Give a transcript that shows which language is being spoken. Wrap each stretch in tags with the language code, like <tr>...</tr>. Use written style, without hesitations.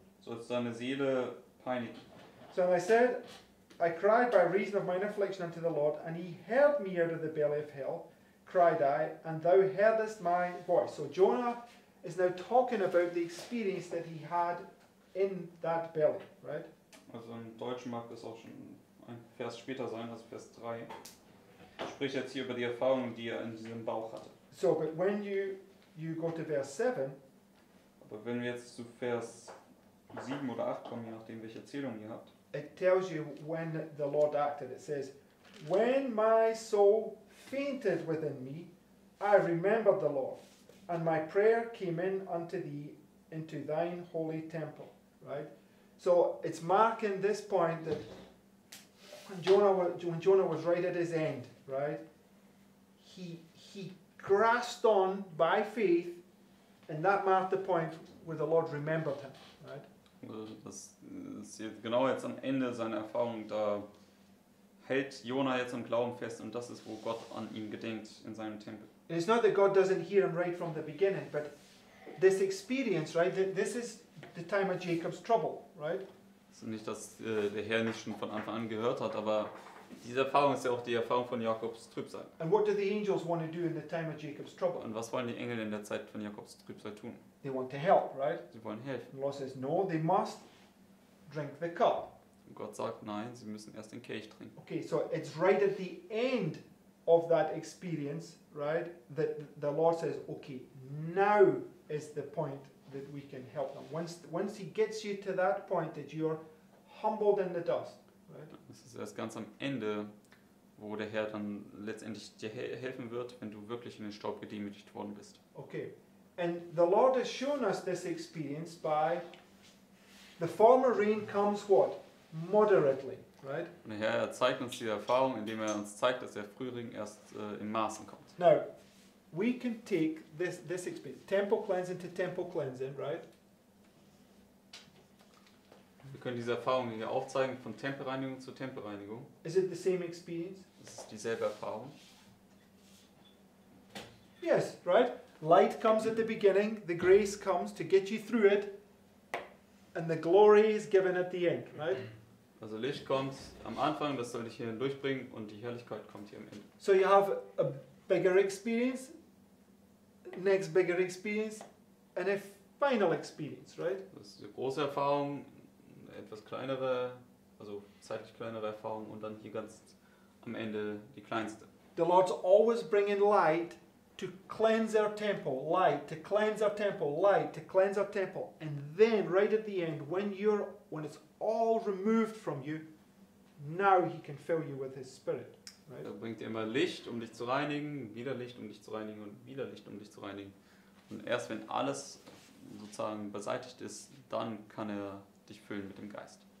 <de>Sollst du deine Seele peinigen.</de> <en>So I said, I cried by reason of mine affliction unto the Lord, and he heard me out of the belly of hell, cried I, and thou heardest my voice. So Jonah is now talking about the experience that he had in that belly, right?</en> <de>Also im Deutschen mag das auch schon ein Vers später sein, also Vers 3. Spricht jetzt hier über die Erfahrungen, die er in diesem Bauch hatte.</de> <en>So, but when you go to verse 7,</en> <de>aber wenn wir jetzt zu Vers 7 oder 8 kommen, je nachdem welche Erzählung ihr habt.</de> <en>It tells you when the Lord acted. It says, when my soul fainted within me, I remembered the Lord, and my prayer came in unto thee into thine holy temple. Right? So, it's marking this point that When Jonah was right at his end, right, he grasped on by faith, and that marked the point where the Lord remembered him, right?</en> <de>Das ist jetzt genau jetzt am Ende seiner Erfahrung, da hält Jonah jetzt am Glauben fest, und das ist, wo Gott an ihn gedenkt, in seinem Tempel.</de> <en>And it's not that God doesn't hear him right from the beginning, but this experience, right, this is the time of Jacob's trouble, right?</en> <de>Nicht, dass der Herr nicht schon von Anfang an gehört hat, aber diese Erfahrung ist ja auch die Erfahrung von Jakobs Trübsal.</de> <en>And what do the angels want to do in the time of Jacob's trouble?</en> <de>Und was wollen die Engel in der Zeit von Jakobs Trübsal tun?</de> <en>They want to help, right?</en> <de>Sie wollen helfen.</de> <en>And Lord says, no, they must drink the cup.</en> <de>Und Gott sagt, nein, sie müssen erst den Kelch trinken.</de> <en>Okay, so it's right at the end of that experience, right, that the Lord says, okay, now is the point that we can help them. Once he gets you to that point that you're humbled in the dust, right?</en> <de>Das ist erst ganz am Ende, wo der Herr dann letztendlich dir helfen wird, wenn du wirklich in den Staub gedemütigt worden bist.</de> <en>Okay. And the Lord has shown us this experience by the former rain comes what? Moderately, right?</en> <de>Und der Herr zeigt uns diese Erfahrung, indem er uns zeigt, dass der Frühling erst in Maßen kommt.</de> <en>Now, we can take this experience, temple cleansing to temple cleansing, right?</en> <de>Wir können diese Erfahrung hier aufzeigen, von Tempelreinigung zu Tempelreinigung.</de> <en>Is it the same experience?</en> <de>Ist es dieselbe Erfahrung?</de> <en>Yes, right? Light comes at the beginning, the grace comes to get you through it, and the glory is given at the end, right?</en> <de>Also Licht kommt am Anfang, das soll dich hier durchbringen, und die Herrlichkeit kommt hier am Ende.</de> <en>So you have a bigger experience, next bigger experience, and a final experience, right?</en> <de>Das ist eine große Erfahrung, etwas kleinere, also zeitlich kleinere Erfahrung, und dann hier ganz am Ende die kleinste.</de> <en>The Lord's always bringing light to cleanse our temple, light, to cleanse our temple, light, to cleanse our temple. And then, right at the end, when it's all removed from you, now he can fill you with his spirit. Right?</en> <de>Er bringt immer Licht, um dich zu reinigen, wieder Licht, um dich zu reinigen, und wieder Licht, um dich zu reinigen. Und erst wenn alles sozusagen beseitigt ist, dann kann er dich füllen mit dem Geist.</de>